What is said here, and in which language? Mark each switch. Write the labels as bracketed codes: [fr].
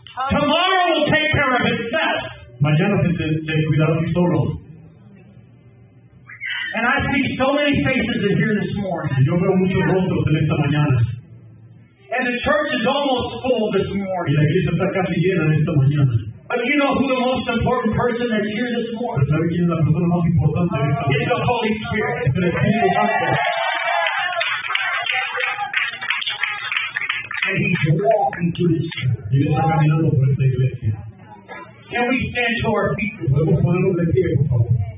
[en] Tomorrow will take care of itself. [es] Mañana se cuidará de solo. [en] And I see so many faces in here this morning. [es] Yo veo muchos rostros en esta mañana. [en] And the church is almost full this morning. [es] Y la iglesia está casi llena esta mañana. [en] But you know who the most important person is here this morning? [es] ¿Sabe quién es la persona más importante en esta mañana? [en] It's the Holy Spirit. [es] El Espíritu Santo. [en] And he's walking through this church. [es] Y él está caminando por esta iglesia. [en] Can we stand to our feet? [es] ¿Podemos ponernos de pie, por favor?